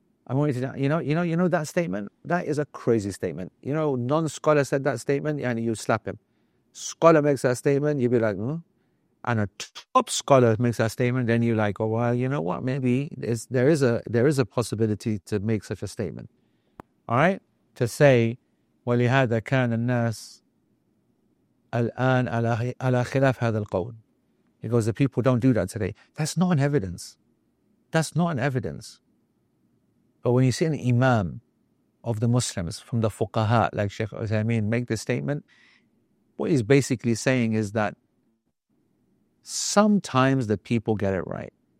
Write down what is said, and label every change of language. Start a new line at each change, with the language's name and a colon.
English: I want you to, you know that statement? That is a crazy statement. You know, non-scholar said that statement, yani you slap him. Scholar makes that statement, you'd be like, hmm? And a top scholar makes that statement, then you're like, oh, well, you know what? Maybe there is a possibility to make such a statement. All right, to say, well,
Arabic: لهذا كان الناس الآن على خلاف هذا القول.
English: He goes, the people don't do that today. That's not an evidence. That's not an evidence. But when you see an imam of the Muslims from the fuqaha, like Sheikh Uthaymeen, make this statement, what he's basically saying is that sometimes the people get it right.